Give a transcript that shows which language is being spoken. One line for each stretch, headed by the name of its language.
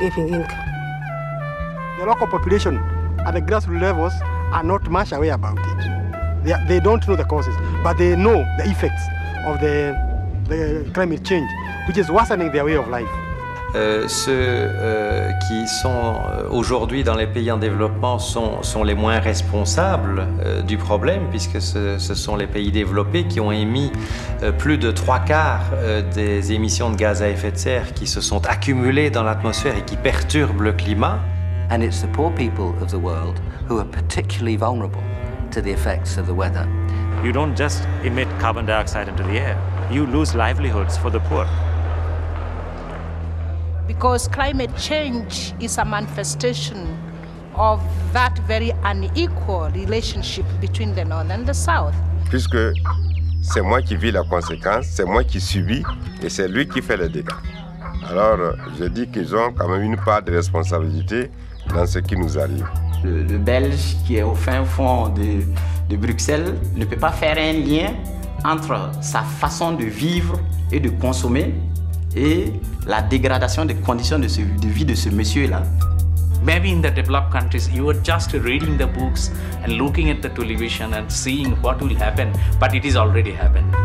English: The local population at the grassroots levels are not much aware about it. They don't know the causes, but they know the effects of the climate change, which is worsening their way of life.
French: Ceux qui sont aujourd'hui dans les pays en développement sont les moins responsables du problème, puisque ce sont les pays développés qui ont émis plus de trois quarts des émissions de gaz à effet de serre qui se sont accumulées dans l'atmosphère et qui perturbent le climat.
English: And it's the poor people of the world who are particularly vulnerable to the effects of the weather. You don't just emit carbon dioxide into the air, you lose livelihoods for the poor. Because climate change is a manifestation of that very unequal relationship between the north and the south.
French: Puisque c'est moi qui vis la conséquence, c'est moi qui subis et c'est lui qui fait les dégâts. Alors je dis qu'ils ont quand même une part de responsabilité dans ce qui nous arrive. Le Belge qui est au fin fond de Bruxelles ne peut pas faire un lien entre sa façon de vivre et de consommer et la dégradation des conditions de vie de ce monsieur-là.
English: Maybe in the developed countries, you are just reading the books and looking at the television and seeing what will happen, but it is already happened.